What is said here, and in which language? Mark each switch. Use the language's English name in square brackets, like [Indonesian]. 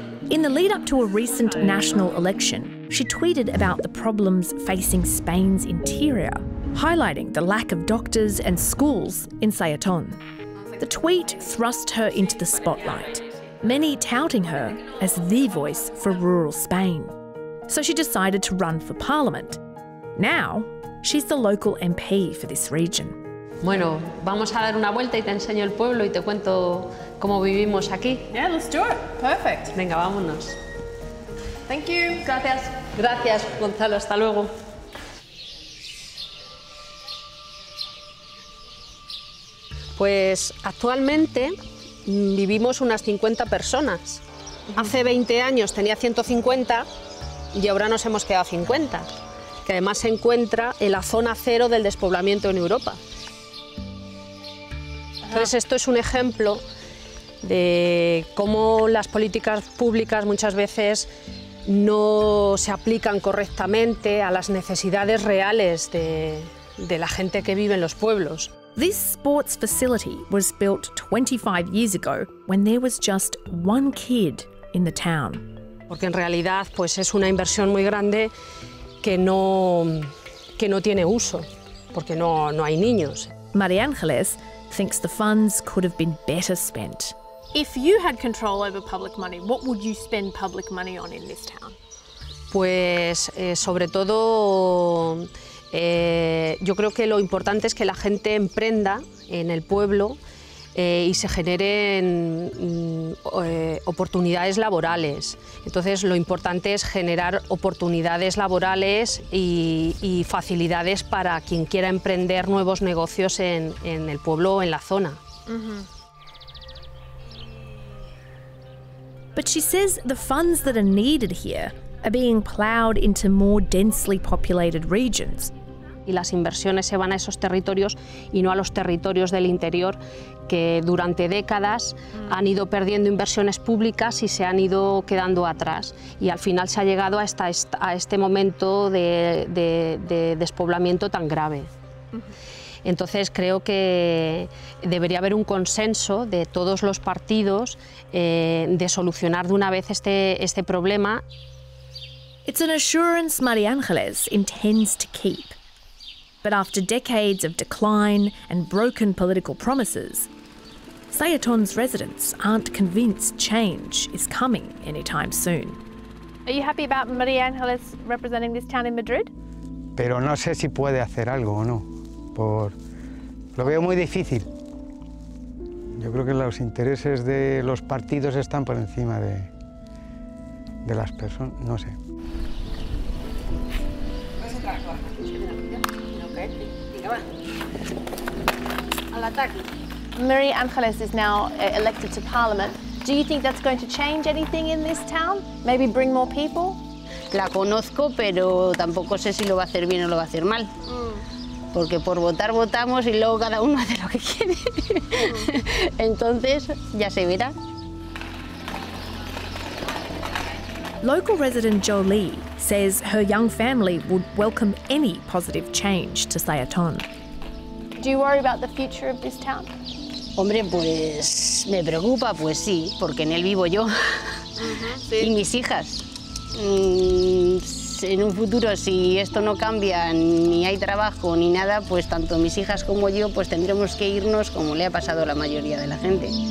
[English] In the lead up to a recent national election, she tweeted about the problems facing Spain's interior, highlighting the lack of doctors and schools in Sayaton. The tweet thrust her into the spotlight, many touting her as the voice for rural Spain. So she decided to run for parliament. Now, she's the local MP for this region. [Spanish] Bueno, vamos a dar una vuelta y te enseño el pueblo y te cuento cómo vivimos aquí. [English] Yeah, let's do it. Perfect. [Spanish] Venga, vámonos. [English] Thank you. [Spanish] Gracias. Gracias, Gonzalo. Hasta luego. Pues actualmente vivimos unas 50 personas. Hace 20 años tenía 150 y ahora nos hemos quedado a 50, que además se encuentra en la zona cero del despoblamiento en Europa. Entonces, esto es un ejemplo de cómo las políticas públicas muchas veces no se aplican correctamente a las necesidades reales de la gente que vive en los pueblos. [English] This sports facility was built 25 years ago when there was just one kid in the town. [Spanish] Porque en realidad, pues es una inversión muy grande que no tiene uso, porque no hay niños. [English] María Ángeles thinks the funds could have been better spent. If you had control over public money, what would you spend public money on in this town? [Spanish] Pues sobre todo yo creo que lo importante es que la gente emprenda en el pueblo y se generen oportunidades laborales. Entonces, lo importante es generar oportunidades laborales y facilidades para quien quiera emprender nuevos negocios en el pueblo o en la zona. [English] But she says the funds that are needed here are being plowed into more densely populated regions. [Spanish] Y las inversiones se van a esos territorios y no a los territorios del interior que durante décadas han ido perdiendo inversiones públicas y se han ido quedando atrás. Y al final se ha llegado a este momento de despoblamiento tan grave. Entonces creo que debería haber un consenso de todos los partidos de solucionar de una vez este problema. [English] It's an assurance María Ángeles intends to keep. But after decades of decline and broken political promises, Sayaton's residents aren't convinced change is coming anytime soon. Are you happy about María Ángeles representing this town in Madrid? [Spanish] Pero no sé si puede hacer algo o no. Lo veo muy difícil. Yo creo que los intereses de los partidos están por encima de las personas. No sé. [English] Mary Angeles is now elected to Parliament. Do you think that's going to change anything in this town? Maybe bring more people? [Spanish] La conozco, pero tampoco sé si lo va a hacer bien o lo va a hacer mal. Porque por votar votamos y luego cada uno hace lo que quiere. Entonces ya se verá. [English] Local resident Jolie says her young family would welcome any positive change to Sayaton. Do you worry about the future of this town? [Spanish] Hombre, pues me preocupa, pues sí, porque en él vivo yo. Y mis hijas. En un futuro, si esto no cambia, ni hay trabajo ni nada, pues tanto mis hijas como yo, pues tendremos que irnos como le ha pasado a la mayoría de la gente.